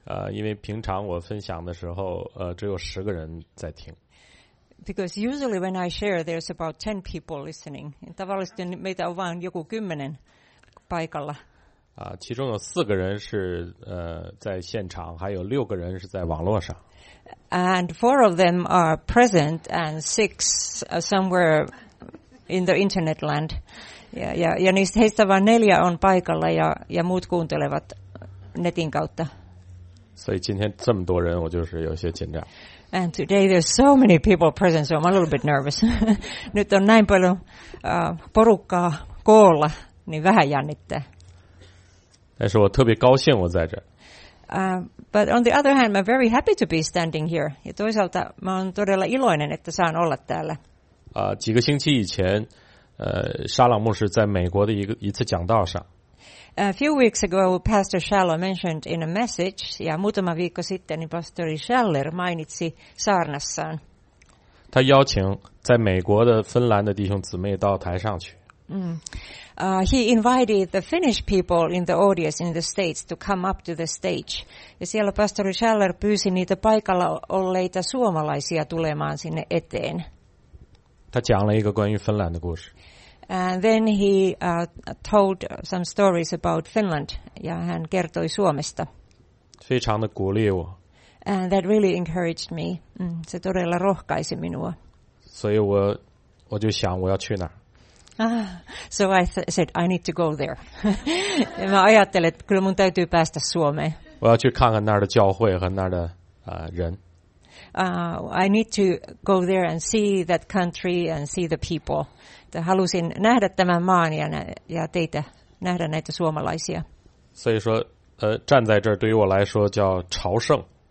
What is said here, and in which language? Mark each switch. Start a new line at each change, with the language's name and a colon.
Chinese: 因为平常我分享的时候，只有10个人在听。
English: Because usually when I share, there's about 10 people listening.
Finnish: Tavallisesti meitä on vain joku 10 paikalla.
Chinese: 其中有四个人是在现场，还有六个人是在网络上。
English: And four of them are present, and six somewhere in the internet land.
Finnish: Ja niistä heistä vain neljä on paikalla ja muut kuuntelevat netin kautta.
Chinese: 所以今天这么多人，我就是有些紧张。
English: And today there's so many people present, so I'm a little bit nervous.
Finnish: Nyt on näin paljon porukkaa koolla, niin vähän jännittää.
Chinese: 但是我特别高兴我在这。
English: But on the other hand, I'm very happy to be standing here.
Finnish: 也toisaalta mä oon todella iloinen, että saan olla täällä.
Chinese: 几个星期以前，沙朗牧师在美国的一次讲道上。
English: A few weeks ago, Pastor Schaller mentioned in a message,
Finnish: ja muutama viikko sitten Pastori Schaller mainitsi saarnassaan.
Chinese: 他邀请在美国的芬兰的弟兄姊妹到台上去。
English: He invited the Finnish people in the audience in the States to come up to the stage.
Finnish: Ja siellä Pastori Schaller pyysi niitä paikalla olleita suomalaisia tulemaan sinne eteen.
Chinese: 他讲了一个关于芬兰的故事。
English: And then he told some stories about Finland,
Finnish: ja hän kertoi Suomesta.
Chinese: 非常的鼓励我。
English: And that really encouraged me.
Finnish: 这todella rohkaisi minua.
Chinese: 所以我就想我要去哪儿。
English: So I said, I need to go there.
Finnish: 我ajattelin, että kyllä mun täytyy päästä Suomeen.
Chinese: 我要去看看那儿的教会和那儿的人。
English: I need to go there and see that country and see the people.
Finnish: Että halusin nähdä tämän maan ja teitä, nähdä näitä suomalaisia.
Chinese: 所以说站在这儿对于我来说叫朝圣。